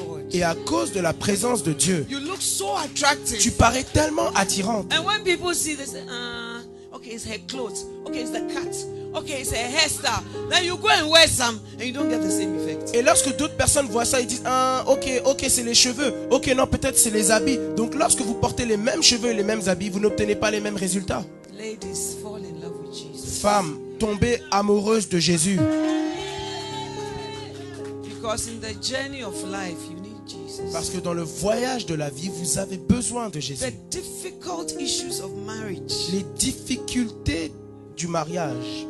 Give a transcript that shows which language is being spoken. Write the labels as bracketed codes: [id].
[fr] Et à cause de la présence de Dieu, tu parais tellement attirante. [en] And when people see this, okay, it's her clothes, okay, it's the cut, okay, it's her hairstyle. Then you go and wear some, and you don't get the same effect. [fr] Et lorsque d'autres personnes voient ça, ils disent, okay, c'est les cheveux, okay, non, peut-être c'est les habits. Donc lorsque vous portez les mêmes cheveux et les mêmes habits, vous n'obtenez pas les mêmes résultats. [en] Ladies, fall in love with Jesus. [fr] Femmes, tombez amoureuses de Jésus. [en] Because in the journey of life, you need Jesus. [fr] Parce que dans le voyage de la vie, vous avez besoin de Jésus. [en] The difficult issues of marriage. [fr] Les difficultés du mariage.